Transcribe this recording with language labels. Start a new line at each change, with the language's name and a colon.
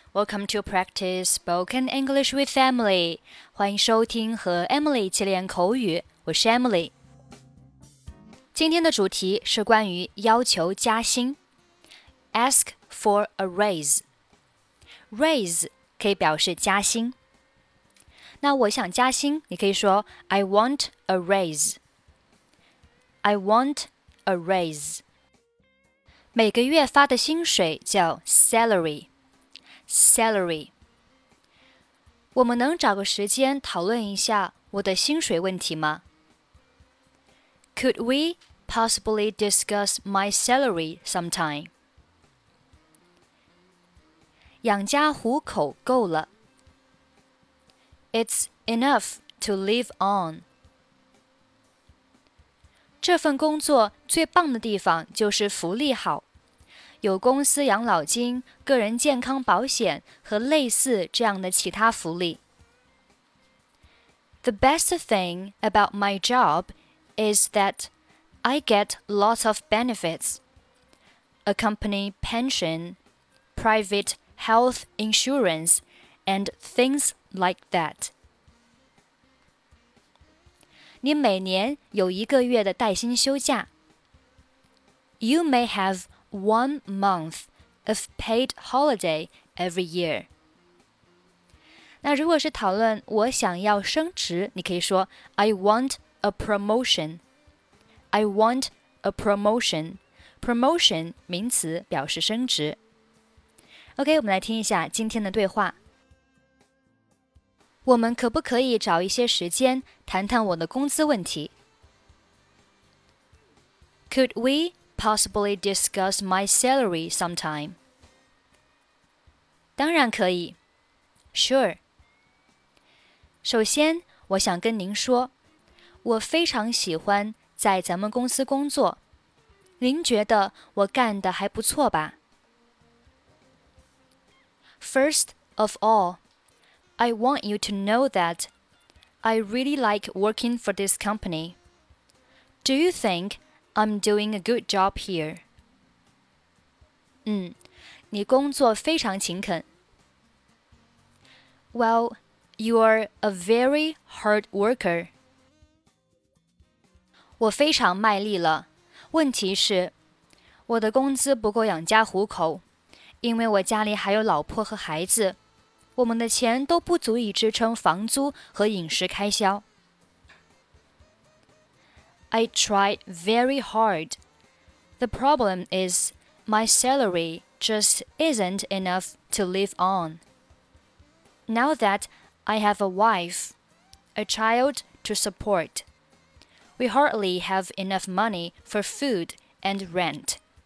English: Welcome to Practice Spoken English with Emily.
Chinese: 欢迎收听和 Emily 一起练口语。我是 Emily。今天的主题是关于要求加薪。
English: Ask for a raise.
Chinese: Raise 可以表示加薪。那我想加薪，你可以说
English: I want a raise. I want a raise.
Chinese: 每个月发的薪水叫
English: salary, salary.
Chinese: 我们能找个时间讨论一下我的薪水问题吗?
English: Could we possibly discuss my salary sometime?
Chinese: 养家糊口够了。
English: It's enough to live on.
Chinese: 这份工作最棒的地方就是福利好。有公司养老金、个人健康保险和类似这样的其他福利。
English: The best thing about my job is that I get lots of benefits. A company pension, private health insurance, and things like that.
Chinese: 你每年有一个月的带薪休假。
English: You may have 1 month of paid holiday every year.
Chinese: 那如果是讨论我想要升职，你可以说
English: I want a promotion. I want a promotion. Promotion
Chinese: 名词表示升职。 OK, 我们来听一下今天的对话。我们可不可以找一些时间谈谈我的工资问题?
English: Could we possibly discuss my salary sometime?
Chinese: 当然可以。
English: Sure.
Chinese: 首先,我想跟您说,我非常喜欢在咱们公司工作。您觉得我干得还不错吧?
English: First of all,I want you to know that I really like working for this company. Do you think I'm doing a good job here?
Chinese: 你工作非常勤恳。
English: Well, you are a very hard worker.
Chinese: 我非常卖力了。问题是，我的工资不够养家糊口，因为我家里还有老婆和孩子。我们的钱都不足以支撑房租和饮食开销。
English: I tried very hard. The problem is my salary just isn't enough to live on. Now that I have a wife, a child to support, we hardly have enough money for food and rent.